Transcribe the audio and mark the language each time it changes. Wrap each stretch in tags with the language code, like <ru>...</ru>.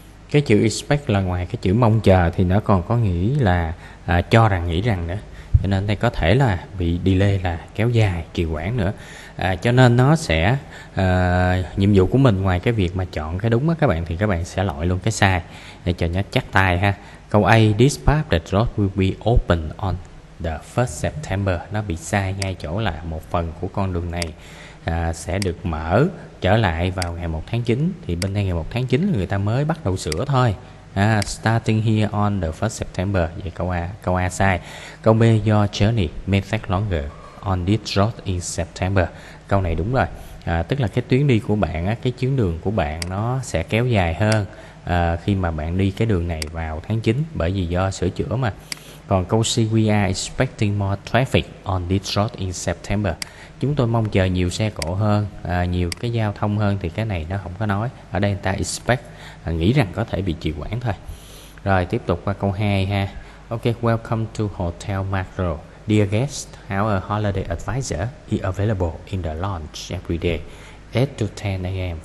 <vi>Cái chữ expect là ngoài cái chữ mong chờ thì nó còn có nghĩ là cho rằng, nghĩ rằng nữa. Cho nên đây có thể là bị delay, là kéo dài, trì hoãn nữa. Cho nên nó sẽ nhiệm vụ của mình ngoài cái việc mà chọn cái đúng á các bạn, thì các bạn sẽ loại luôn cái sai để cho nó chắc tay ha. Câu A,</vi> <en>this public road will be open on the 1st September.</en> <vi>Nó bị sai ngay chỗ là một phần của con đường này sẽ được mở trở lại vào ngày 1 tháng 9. Thì bên đây ngày 1 tháng 9 là người ta mới bắt đầu sửa thôi.</vi> <en>Starting here on the 1st September.</en> <vi>Vậy câu A sai. Câu B,</vi> <en>your journey may take longer on this road in September.</en> <vi>Câu này đúng rồi. Tức là cái tuyến đi của bạn, cái chuyến đường của bạn nó sẽ kéo dài hơn khi mà bạn đi cái đường này vào tháng 9, bởi vì do sửa chữa mà. Còn câu C,</vi> <en>we are expecting more traffic on this road in September.</en> <vi>Chúng tôi mong chờ nhiều xe cộ hơn, nhiều cái giao thông hơn, thì cái này nó không có nói. Ở đây người ta expect, nghĩ rằng có thể bị trì hoãn thôi. Rồi tiếp tục qua câu 2 ha.</vi> <en>Ok, welcome to Hotel Macro. Dear guest, our holiday advisor is available in the lounge every day 8 to 10 a.m.</en>